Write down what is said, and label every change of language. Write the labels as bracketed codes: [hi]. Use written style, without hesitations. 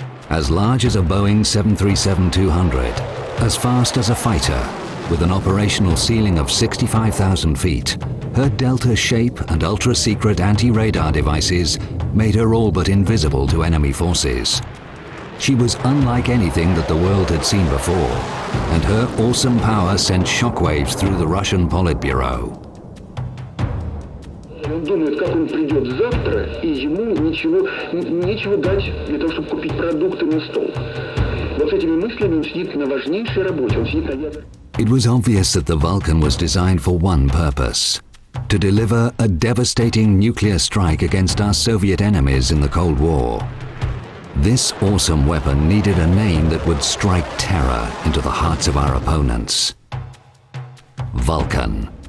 [en] As large as a Boeing 737-200, as fast as a fighter, with an operational ceiling of 65,000 feet, her delta shape and ultra-secret anti-radar devices made her all but invisible to enemy forces. She was unlike anything that the world had seen before, and her awesome power sent shockwaves through the Russian Politburo. [ru] Он думает, как он придет завтра, и ему ничего, нечего дать для того, чтобы купить продукты на стол. Вот с этими мыслями он сидит на важнейшей работе, он сидит на [en] It was obvious that the Vulcan was designed for one purpose. To deliver a devastating nuclear strike against our Soviet enemies in the Cold War. This awesome weapon needed a name that would strike terror into the hearts of our opponents. Vulcan.